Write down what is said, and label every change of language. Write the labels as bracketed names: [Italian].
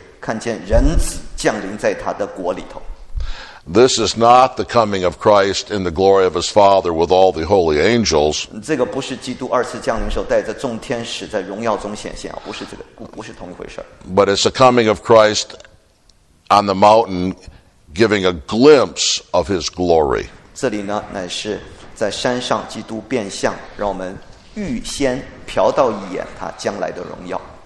[Chinese] 所以这里呢，耶稣在山上改变形象，这个变相呢，就在28节里头称之为看见人子降临在他的国里头。 [English] This is not the coming of Christ in the glory of his Father with all the holy angels. [Chinese] 这个不是基督二次降临时候带着众天使在荣耀中显现，不是这个，不是同一回事。 [English] But it's the coming of Christ on the mountain giving a glimpse of his glory. [Chinese] 这里呢，乃是在山上基督变相，让我们预先瞟到一眼他将来的荣耀。